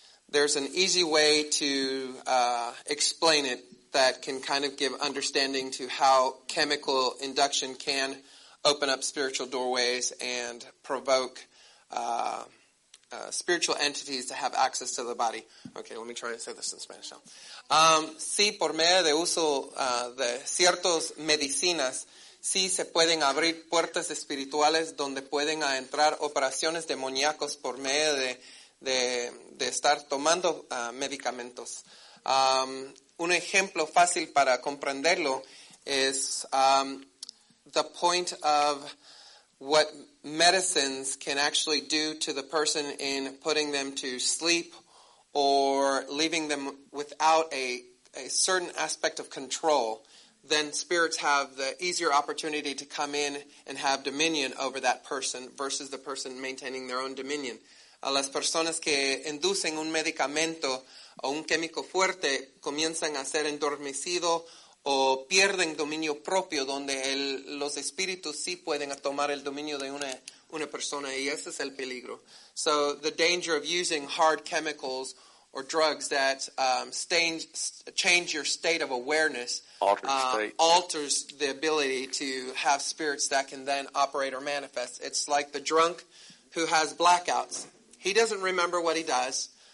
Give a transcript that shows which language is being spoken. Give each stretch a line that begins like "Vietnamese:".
English: There's an easy way to explain it that can kind of give understanding to how chemical induction can open up spiritual doorways and provoke spiritual entities to have access to the body. Okay, let me try to say this in Spanish now.
Spanish: Sí, por medio de uso de ciertas medicinas, sí se pueden abrir puertas espirituales donde pueden entrar operaciones demoníacas por medio de estar tomando medicamentos. Un ejemplo fácil para comprenderlo es
English: the point of what medicines can actually do to the person in putting them to sleep or leaving them without a certain aspect of control, then spirits have the easier opportunity to come in and have dominion over that person versus the person maintaining their own dominion.
Spanish: A las personas que inducen un medicamento o un químico fuerte comienzan a ser endormecido o pierden dominio propio, donde los espíritus sí pueden tomar el dominio de una persona, y ese es el peligro.
English: So the danger of using hard chemicals or drugs that change your state of awareness alters the ability to have spirits that can then operate or manifest. It's like the drunk who has blackouts. He doesn't remember what he does.